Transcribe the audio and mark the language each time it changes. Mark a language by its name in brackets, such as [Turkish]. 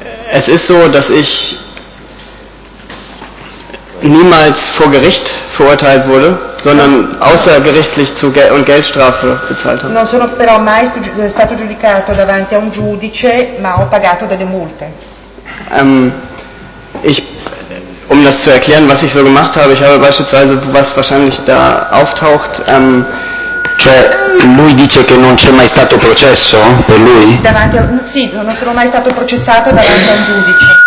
[German] Es ist so, dass ich niemals vor Gericht verurteilt wurde, sondern außergerichtlich zu und Geldstrafe bezahlt habe. [Italian] Non sono però mai stato giudicato davanti a un giudice, ma ho pagato delle multe. [German] Um das zu erklären, was ich so gemacht habe, ich habe beispielsweise, was wahrscheinlich da auftaucht, [Italian] cioè, lui dice che non c'è mai stato processo per lui? Davanti a, sì, non sono mai stato processato davanti a un giudice.